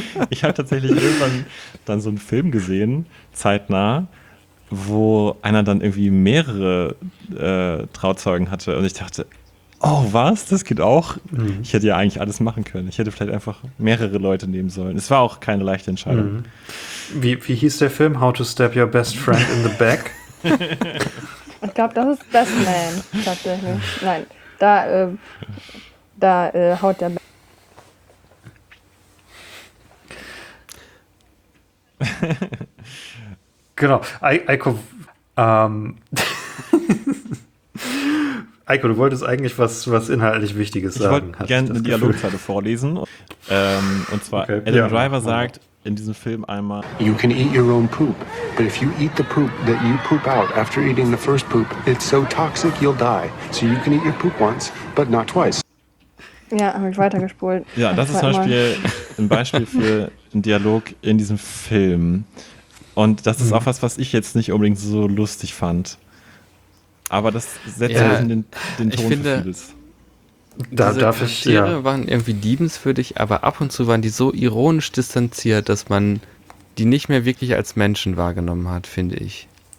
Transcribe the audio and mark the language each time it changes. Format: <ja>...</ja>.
<de>Ich habe tatsächlich irgendwann dann so einen Film gesehen, zeitnah, wo einer dann irgendwie mehrere Trauzeugen hatte. Und ich dachte, oh was, das geht auch? Mhm. Ich hätte ja eigentlich alles machen können. Ich hätte vielleicht einfach mehrere Leute nehmen sollen. Es war auch keine leichte Entscheidung. Mhm. Wie hieß der Film?</de> <en>How to Stab Your Best Friend in the Back?</en> <de>Ich glaube, das ist Best Man. Tatsächlich. Nein, da haut der Genau. Eiko, du wolltest eigentlich was inhaltlich Wichtiges sagen. Ich wollte gerne eine Dialogzeile vorlesen. Und zwar, okay. Adam Driver sagt in diesem Film einmal:</de> <en>You can eat your own poop, but if you eat the poop that you poop out after eating the first poop, it's so toxic you'll die. So you can eat your poop once, but not twice.</en> <de>Ja, habe ich weitergespult. Ja, das ist zum Beispiel ein Beispiel für einen Dialog in diesem Film. Und das ist auch was, was ich jetzt nicht unbedingt so lustig fand. Aber das setzt ja den Ton für vieles. Da darf ich, ja. Die waren irgendwie liebenswürdig, aber ab und zu waren die so ironisch distanziert, dass man die nicht mehr wirklich als Menschen wahrgenommen hat, finde ich.</de>